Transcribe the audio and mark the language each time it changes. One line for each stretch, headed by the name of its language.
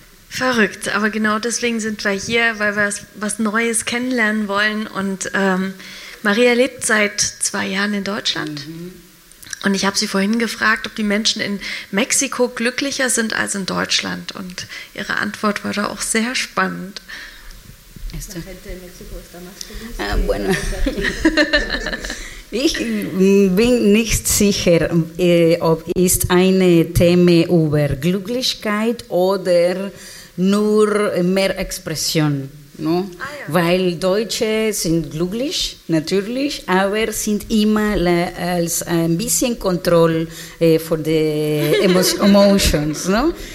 German: Verrückt, aber genau deswegen sind wir hier, weil wir was Neues kennenlernen wollen. Und Maria lebt seit 2 Jahren in Deutschland. Mhm. Und ich habe sie vorhin gefragt, ob die Menschen in Mexiko glücklicher sind als in Deutschland. Und ihre Antwort war da auch sehr spannend.
Spanish: La gente en México está más feliz. Ah, bueno.
German: Ich bin nicht sicher, ob es ein Thema über Glücklichkeit oder nur mehr Expression, no? Ah, ja. Weil Deutsche sind glücklich, natürlich, aber sind immer als ein bisschen Kontroll für die Emotions, no?